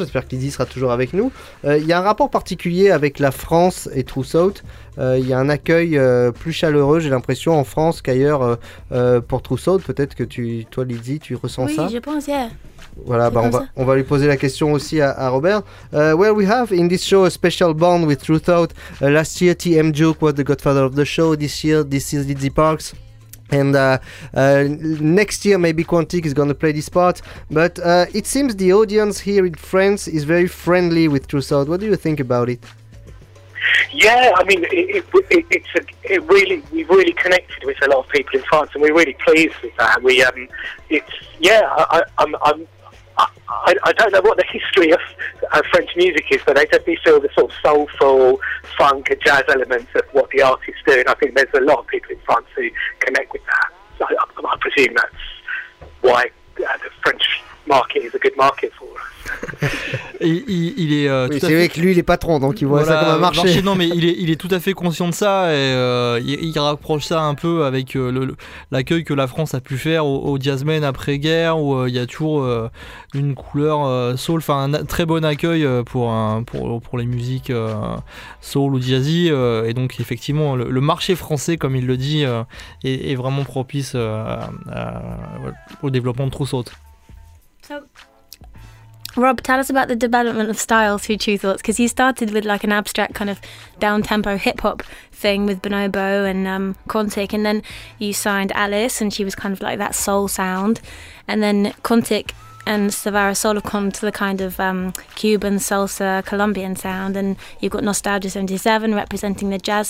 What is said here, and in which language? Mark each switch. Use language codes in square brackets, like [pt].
[fr] J'espère que Lydie sera toujours avec nous. Il y a un rapport particulier avec la France et True Thought. Il y a un accueil plus chaleureux, j'ai l'impression, en France qu'ailleurs pour True Thought. Peut-être que toi, Lydie, tu ressens oui, ça. Oui, je pense, yeah. Voilà, on va lui poser la question aussi à Robert. [en] Well, we have in this show a special bond with True Thought. Last year, TM Juke was the godfather of the show. This year, this is Lydie Parks. And next year, maybe Quantique is going to play this part. But it seems the audience here in France is very friendly with True Thought. What do you think about it? Yeah, I mean, we've really connected with a lot of people in France, and we're really pleased with that. I don't know what the history of French music is, but they definitely feel the sort of soulful, funk, and jazz elements of what the artists do, and I think there's a lot of people in France who connect with that. So I presume that's why the French market is a good market for us. [fr] il est oui, c'est fait... vrai que lui il est patron, donc il voit voilà, ça comme un marché. Non, mais il est tout à fait conscient de ça, et il rapproche ça un peu avec l'accueil que la France a pu faire au jazzmen après-guerre, où il y a toujours une couleur soul, enfin un très bon accueil pour les musiques soul ou jazzy, et donc effectivement le marché français, comme il le dit, est vraiment propice au développement de True Thought. [en] Rob, tell us about the development of style through True Thoughts, because you started with like an abstract kind of down-tempo hip-hop thing with Bonobo and Quantique, and then you signed Alice and she was kind of like that soul sound, and then Quantique and Savara Sol have come to the kind of Cuban, salsa, Colombian sound, and you've got Nostalgia 77 representing the jazz.